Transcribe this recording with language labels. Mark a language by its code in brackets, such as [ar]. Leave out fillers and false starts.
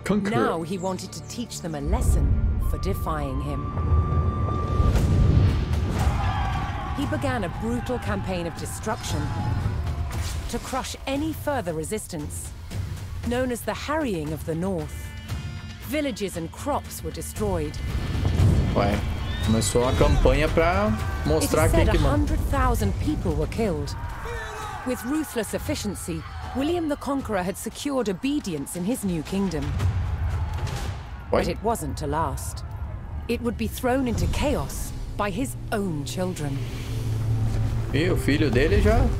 [en] Now he wanted to teach them a lesson for defying him. He began a brutal campaign of destruction to crush any further resistance, known as the Harrying of the North. Villages and crops were destroyed. [pt] Ué, começou a campanha para mostrar quem que manda. [en] 100,000 people were killed. With ruthless efficiency, William the Conqueror had secured obedience in his new kingdom. What? But it wasn't to last. It would be thrown into chaos by his own children. [pt] E o filho dele já?